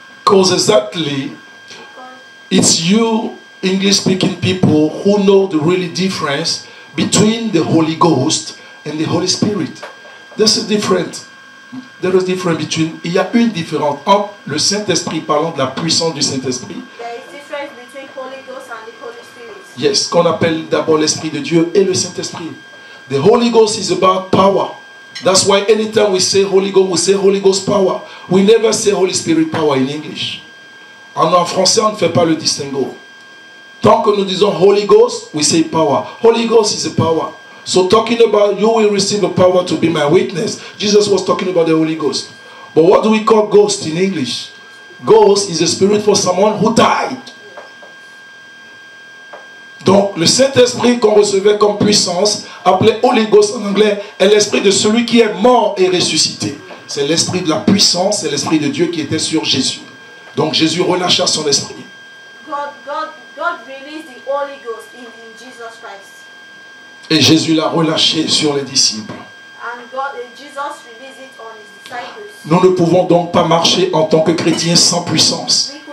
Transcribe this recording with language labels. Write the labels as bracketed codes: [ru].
[en] Because exactly, it's you English-speaking people who know the really difference between the Holy Ghost and the Holy Spirit. There's a difference. There is a difference between. [fr] Il y a une différence entre le Saint-Esprit, parlant de la puissance du Saint-Esprit. [en] There is difference between Holy Ghost and the Holy Spirit. [fr] Yes, qu'on appelle d'abord l'Esprit de Dieu et le Saint-Esprit. [en] The Holy Ghost is about power. That's why anytime we say Holy Ghost, we say Holy Ghost power. We never say Holy Spirit power in English. [fr] En français, on ne fait pas le distinguo. Tant que nous disons [en] Holy Ghost, we say power. Holy Ghost is a power. So talking about you will receive a power to be my witness. Jesus was talking about the Holy Ghost. But what do we call ghost in English? Ghost is a spirit for someone who died. [fr] Donc, le Saint-Esprit qu'on recevait comme puissance, appelé Holy Ghost en anglais, est l'esprit de celui qui est mort et ressuscité. C'est l'esprit de la puissance, c'est l'esprit de Dieu qui était sur Jésus. Donc, Jésus relâcha son esprit. [en] God released the Holy Ghost in Jesus Christ. [fr] Et Jésus l'a relâché sur les disciples. [en] And God, Jesus released it on his disciples. [fr] Nous ne pouvons donc pas marcher en tant que chrétiens sans puissance.